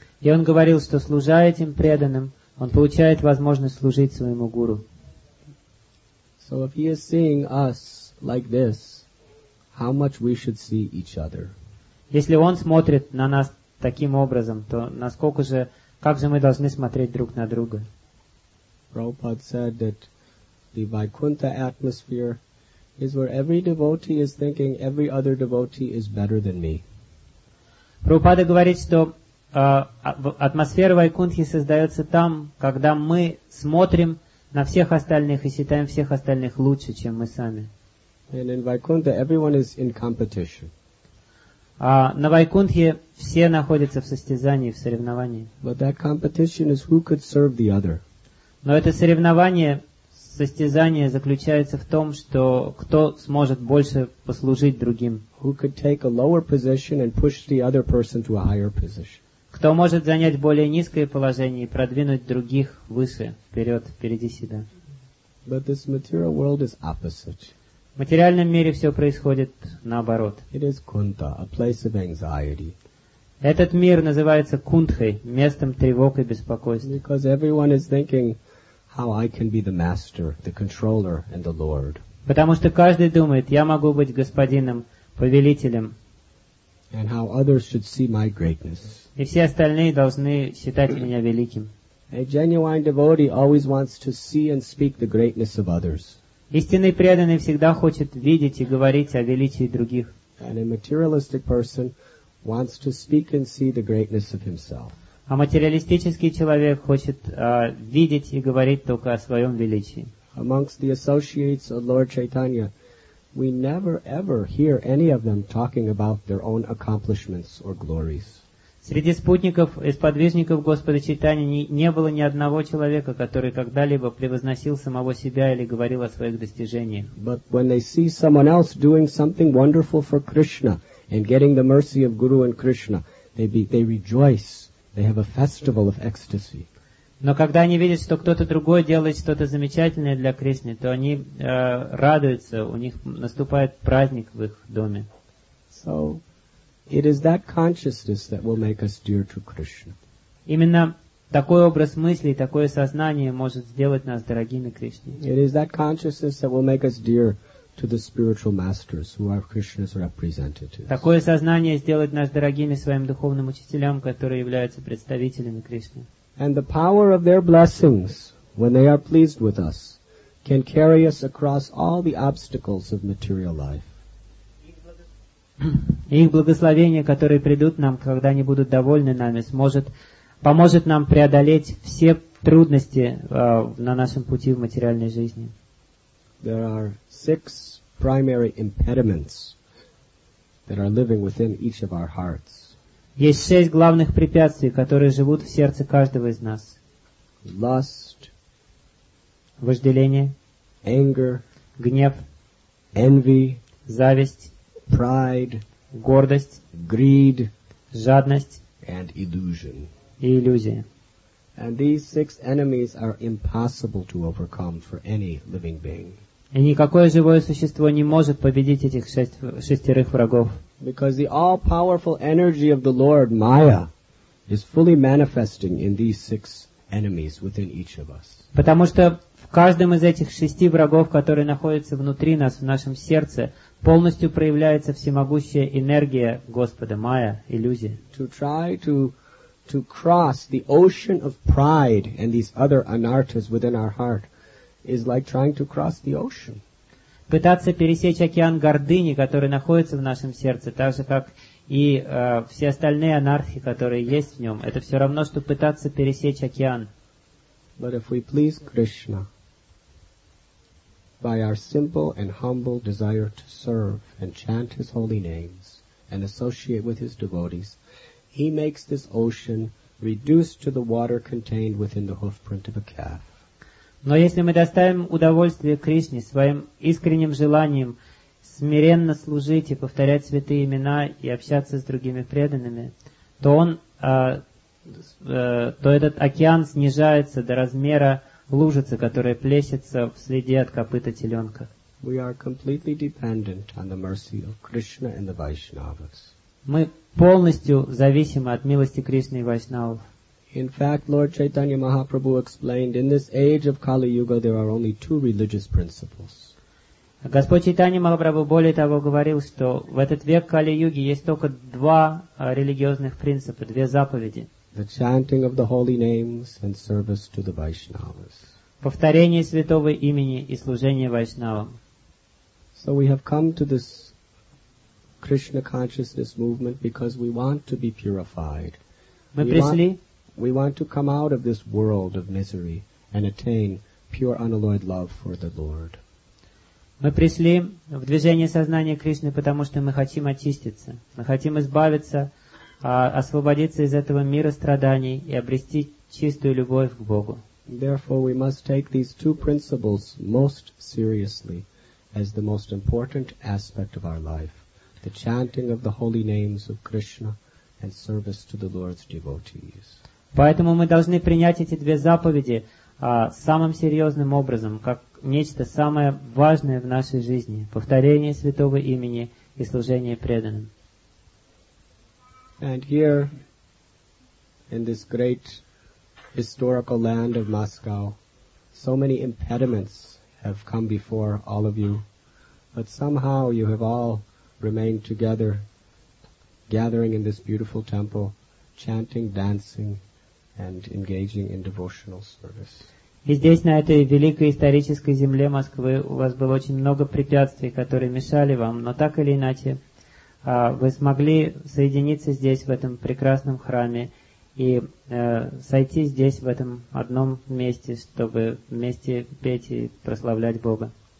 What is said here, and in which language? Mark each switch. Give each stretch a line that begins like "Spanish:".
Russian: И он говорил, что служа этим преданным, он получает возможность служить своему гуру.
English: So if he is seeing us like this, how much we should see each other.
Russian: Если он смотрит на нас таким образом, то насколько же, как же мы должны смотреть друг на друга?
English: Prabhupada said that the Vaikuntha atmosphere is where every devotee is thinking every other devotee is better than me.
Russian: Prabhupada говорит, что атмосфера Вайкунтхи создается там, когда мы смотрим на всех остальных и считаем всех остальных лучше, чем мы сами.
English: And in Vaikuntha, everyone is in competition.
Russian: А на Вайкунтхе все находятся в состязании, в соревновании.
English: But that competition is who could serve the other.
Russian: Но это соревнование, состязание заключается в том, что кто сможет больше послужить другим.
English: Who could take a lower position and push the other person to a higher position.
Russian: Кто может занять более низкое положение и продвинуть других выше, вперед, впереди себя.
English: But this material world is opposite.
Russian: В материальном мире все происходит наоборот.
English: It is Kunta, a place of anxiety.
Russian: Этот мир называется Кунтхой, местом тревог и беспокойства.
English: Because everyone is thinking how I can be the master, the controller, and the lord.
Russian: Потому что каждый думает, я могу быть господином, повелителем.
English: And how others should see my greatness.
Russian: И все остальные должны считать меня великим.
English: A genuine devotee always wants to see and speak the greatness of others.
Russian: Истинный преданный всегда хочет видеть и говорить о величии других.
English: And a materialistic person wants to speak and see the greatness of himself.
Russian: А материалистический человек хочет видеть и говорить только о своем величии.
English: Amongst the associates of Lord Chaitanya, we never ever hear any of them talking about their own accomplishments or glories.
Russian: Среди спутников и сподвижников Господа Чайтаньи не было ни одного человека, который когда-либо превозносил самого себя или говорил о своих достижениях.
English: But when they see someone else doing something wonderful for Krishna and getting the mercy of Guru and Krishna, they rejoice. They have a festival of ecstasy.
Russian: Но когда они видят, что кто-то другой делает что-то замечательное для Кришны, то они радуются, у них наступает праздник в их доме.
English: So, it is that consciousness that will make us dear to Krishna.
Russian: Именно такой образ мысли, такое сознание может сделать нас дорогими Кришне.
English: It is that consciousness that will make us dear to the spiritual masters who are Krishna's representatives.
Russian: Такое сознание сделает нас дорогими своим духовным учителям, которые являются представителями Кришны.
English: And the power of their blessings, when they are pleased with us, can carry us across all the obstacles of material life.
Russian: Их благословение, которые придут нам, когда они будут довольны нами, поможет нам преодолеть все трудности на нашем пути в материальной жизни.
English: There are six primary impediments that are living within each of our hearts.
Russian: Есть шесть главных препятствий, которые живут в сердце каждого из нас.
English: Lust,
Russian: вожделение,
English: anger,
Russian: гнев,
English: envy,
Russian: зависть,
English: pride,
Russian: гордость,
English: greed,
Russian: жадность,
English: and illusion.
Russian: И иллюзия.
English: And these six enemies are impossible to overcome for any living being.
Russian: И никакое живое существо не может победить этих шестерых врагов.
English: Because the all-powerful energy of the Lord, Maya, is fully manifesting in these six enemies within each of us.
Russian: Потому что в каждом из этих шести врагов, которые находятся внутри нас, в нашем сердце, полностью проявляется всемогущая энергия Господа, Майя, иллюзия.
English: To try to cross the ocean of pride and these other anarthas within our heart is like trying to cross the ocean.
Russian: Пытаться пересечь океан гордыни, который находится в нашем сердце, так же, как и все остальные анархи, которые есть в нем, это все равно, что пытаться пересечь океан.
English: But if we please Krishna by our simple and humble desire to serve and chant his holy names and associate with his devotees, he makes this ocean reduced to the water contained within the hoofprint of a calf.
Russian: Но если мы доставим удовольствие Кришне своим искренним желанием смиренно служить и повторять святые имена и общаться с другими преданными, то он, то этот океан снижается до размера лужица, которая плещется в следе от копыта теленка.
English: We are completely dependent on the mercy of Krishna and the Vaishnavas.
Russian: Мы полностью зависимы от милости Кришны и Вайшнавов.
English: In fact, Lord Chaitanya Mahaprabhu explained, in this age of Kali Yuga, there are only two religious principles.
Russian: Господь Чайтанья Махапрабху более того говорил, что в этот век Кали Юги есть только два религиозных принципа, две заповеди.
English: The chanting of the holy names and service to the Vaishnavas.
Russian: Повторение святого имени и служение Вайшнавам.
English: So we have come to this Krishna consciousness movement because we want to be purified.
Russian: Мы пришли.
English: We want to come out of this world of misery and attain pure unalloyed love for the Lord.
Russian: Мы пришли в движение сознания Кришны, потому что мы хотим очиститься. Мы хотим избавиться, освободиться из этого мира страданий и обрести чистую любовь к Богу.
English: Therefore, we must take these two principles most seriously as the most important aspect of our life, the chanting of the holy names of Krishna and service to the Lord's devotees.
Russian: Поэтому мы должны принять эти две заповеди самым серьезным образом, как нечто самое важное в нашей жизни, повторение святого имени и служение преданным.
English: And here, in this great historical land of Moscow, so many impediments have come before all of you, but somehow you have all remained together, gathering in this beautiful temple, chanting, dancing, and engaging in devotional service.
Russian: И здесь, на этой великой исторической земле Москвы, у вас было очень много препятствий, которые мешали вам, но так или иначе, вы смогли соединиться здесь, в этом прекрасном храме, и сойти здесь, в этом одном месте, чтобы вместе петь и прославлять Бога.